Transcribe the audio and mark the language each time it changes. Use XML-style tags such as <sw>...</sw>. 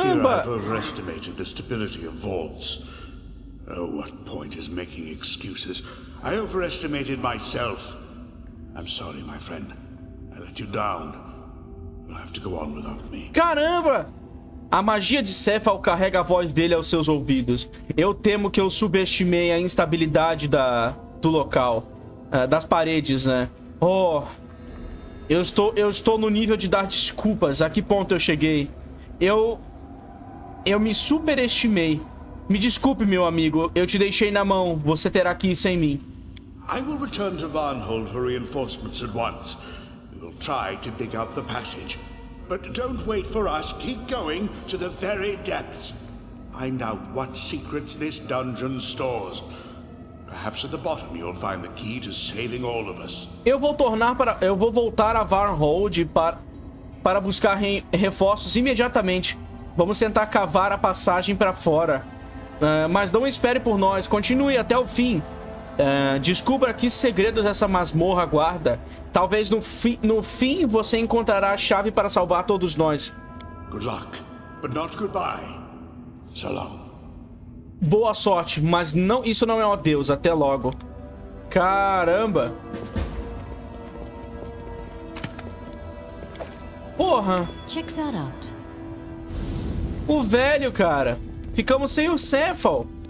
<en>I fear I've overestimated the stability of vaults. Oh, what point is making excuses? I overestimated myself. I'm sorry, my friend. I let you down. You'll have to go on without me.</en> <pt>Caramba! A magia de Cephal carrega a voz dele aos seus ouvidos. Eu temo que eu subestimei a instabilidade do local. Das paredes, né? Oh! Eu estou no nível de dar desculpas. A que ponto eu cheguei? Eu me superestimei. Me desculpe, meu amigo. Eu te deixei na mão. Você terá que ir sem mim.</pt> <en>I will return to Varnhold for reinforcements at once. We will try to dig out the passage. But don't wait for us. Keep going to the very depths. Find out what secrets this dungeon stores. Perhaps at the bottom you'll find the key to saving all of us.</en> <pt>Eu vou voltar a Varnhold para buscar reforços imediatamente. Vamos tentar cavar a passagem para fora. Mas não espere por nós. Continue até o fim. Descubra que segredos essa masmorra guarda. Talvez no fim você encontrará a chave para salvar todos nós.</pt> <en>Good luck, but not goodbye. So long.</en> <pt>Boa sorte, mas não, isso não é um adeus. Até logo. Caramba. Porra.</pt> <en>Check that out.</en> <pt>O velho, cara. Ficamos sem o Cephal.</pt>